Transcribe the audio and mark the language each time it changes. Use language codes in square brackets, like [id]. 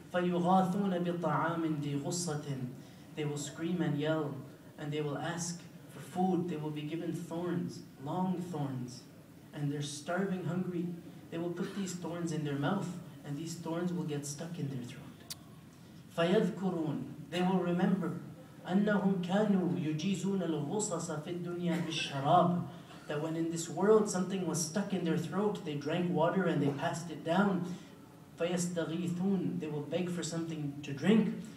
[ar] فَيُغَاثُونَ بِطَعَامٍ ذِي غُصَّةٍ. [en] They will scream and yell, and they will ask food. They will be given thorns, long thorns, and they're starving hungry. They will put these thorns in their mouth, and these thorns will get stuck in their throat. [ar] فيذكرون. [en] They will remember [ar] أنهم كانوا يجيزون الغصص في الدنيا بالشراب. [en] That when in this world something was stuck in their throat, they drank water and they passed it down. [ar] فيستغيثون. [en] They will beg for something to drink.